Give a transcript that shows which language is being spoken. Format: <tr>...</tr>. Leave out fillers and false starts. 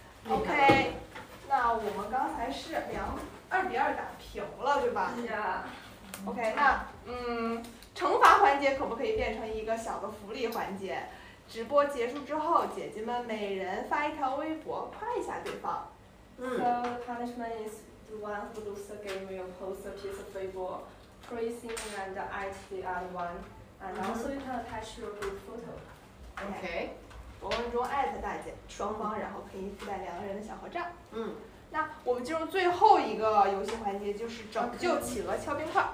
<zh>OK， 那我们刚才是2-2打平了，对吧？是啊。 OK， 那惩罚环节可不可以变成一个小的福利环节？直播结束之后，姐姐们每人发一条微博，夸一下对方。</zh> <en>So punishment is the one who loses the game will post a piece of Weibo. Praising and at the other one, and also you can attach your group photo. Okay.</en> <zh>我们中艾特大姐，双方然后可以附带两个人的小合照。嗯。那我们进入最后一个游戏环节，就是拯救企鹅敲冰块。</zh>